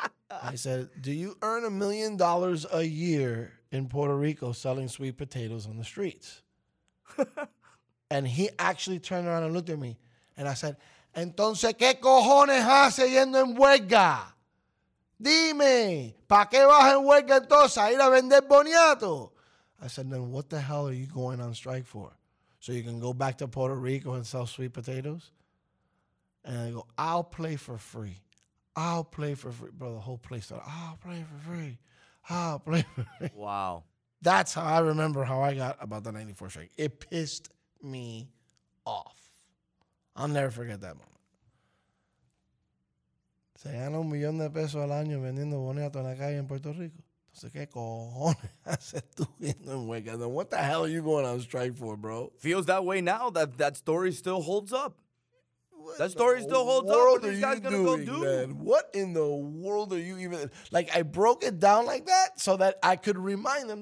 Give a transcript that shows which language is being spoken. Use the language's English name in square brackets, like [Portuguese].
[English] I said, "Do you earn $1,000,000 a year in Puerto Rico selling sweet potatoes on the streets?" And he actually turned around and looked at me. [Spanish] And I said, "Entonces, ¿qué cojones hace yendo en huelga? Dime, ¿pa' qué vas en huelga entonces a ir a vender boniato?" [English] I said, "Then what the hell are you going on strike for? So you can go back to Puerto Rico and sell sweet potatoes?" And I go, "I'll play for free. I'll play for free." Bro, the whole place said, "I'll play for free. I'll play for free." Wow. That's how I remember how I got about the 94 strike. It pissed me off. I'll never forget that moment. [Spanish] Se gana $1,000,000 al año vendiendo boniato en la calle en Puerto Rico. [English] What the hell are you going on strike for, bro? Feels that way now that that story still holds up. That story still holds up. What are you guys going to go do? Man, what in the world are you even... Like, I broke it down like that so that I could remind them.